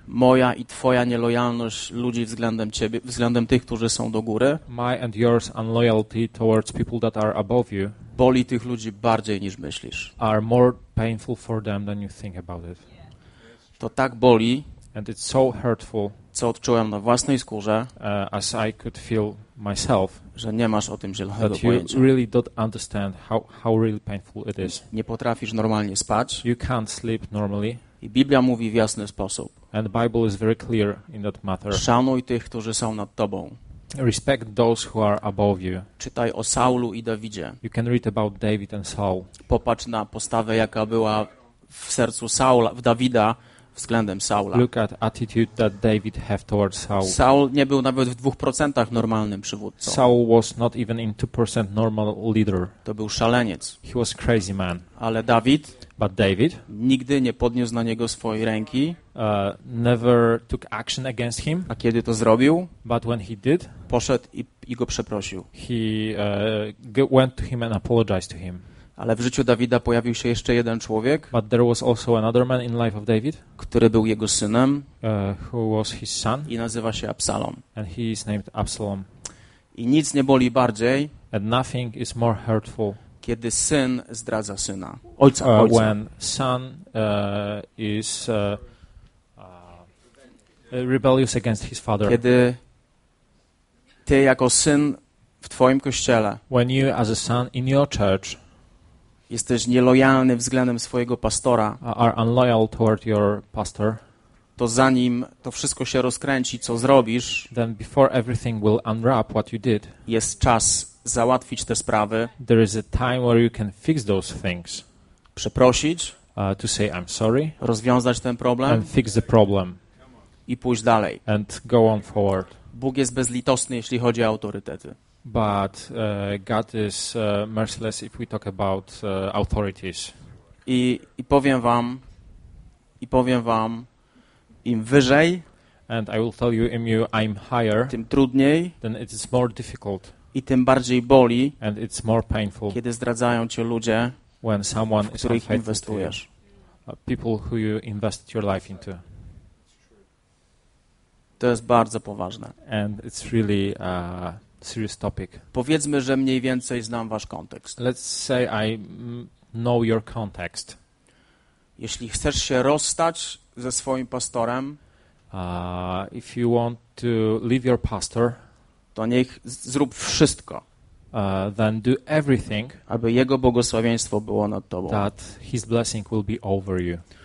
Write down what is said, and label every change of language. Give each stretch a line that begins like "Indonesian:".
Polish: Moja i twoja nielojalność ludzi względem ciebie, względem tych, którzy są do góry.
English: My and yours unloyalty towards people that are above you.
Polish: Boli tych ludzi bardziej niż myślisz.
English: Are more painful for them than you think about it.
Polish: To tak boli.
English: And it's so hurtful.
Polish: Co odczułem na własnej skórze.
English: As I could feel myself.
Polish: Że nie masz o tym zielonego pojęcia.
English: You really don't understand how really painful it is.
Polish: Nie potrafisz normalnie spać.
English: You can't sleep normally.
Polish: I Biblia mówi w jasny sposób.
English: And Bible is very clear in that matter.
Polish: Szanuj tych, którzy są nad tobą.
English: Respect those who are above you.
Polish: Czytaj o Saulu i Dawidzie.
English: You can read about David and Saul.
Polish: Popatrz na postawę, jaka była w sercu Saula, w Dawida. Względem Saula.
English: Look at attitude that David had towards Saul.
Polish: Saul nie był nawet w 2% normalnym przywódcą.
English: Saul was not even in 2% normal leader.
Polish: To był szaleniec.
English: He was crazy man.
Polish: Ale David,
English: but David
Polish: nigdy nie podniósł na niego swojej ręki.
English: Never took action against him.
Polish: A kiedy to zrobił,
English: but when he did,
Polish: poszedł i go przeprosił.
English: He went to him and apologized to him.
Polish: Ale w życiu Dawida pojawił się jeszcze jeden człowiek,
English: but there was also another man in life of David,
Polish: który był jego synem,
English: who was his son,
Polish: i nazywa się Absalom.
English: And he is named Absalom.
Polish: I nic nie boli bardziej,
English: and nothing is more hurtful,
Polish: kiedy syn zdradza syna, ojca.
English: When son is rebellious against his father.
Polish: Kiedy ty jako syn w twoim kościele,
English: when you as a son in your church,
Polish: jesteś nielojalny względem swojego pastora.
English: Are unloyal toward your pastor.
Polish: to zanim to wszystko się rozkręci, co zrobisz,
English: then before everything will unwrap what you did,
Polish: jest czas załatwić te sprawy.
English: There is a time where you can fix those things.
Polish: Przeprosić,
English: to say I'm sorry,
Polish: rozwiązać ten problem,
English: and fix the problem,
Polish: i pójść dalej,
English: and go on forward.
Polish: Bóg jest bezlitosny, jeśli chodzi o autorytety.
English: But God is merciless if we talk about authorities.
Polish: I powiem wam, im wyżej,
English: and I will tell you, im you I'm higher,
Polish: tym trudniej,
English: then it is more difficult,
Polish: i tym bardziej boli,
English: and it's more painful,
Polish: kiedy zdradzają cię ludzie,
English: when someone
Polish: w których inwestujesz,
English: people who you invested your life into.
Polish: To jest bardzo poważne.
English: And it's really a serious topic.
Polish: Powiedzmy, że mniej więcej znam wasz kontekst.
English: Let's say I know your context.
Polish: Jeśli chcesz się rozstać ze swoim pastorem,
English: if you want to leave your pastor,
Polish: to niech zrób wszystko,
English: then do everything,
Polish: aby jego błogosławieństwo było nad tobą.
English: That his blessing will be over you.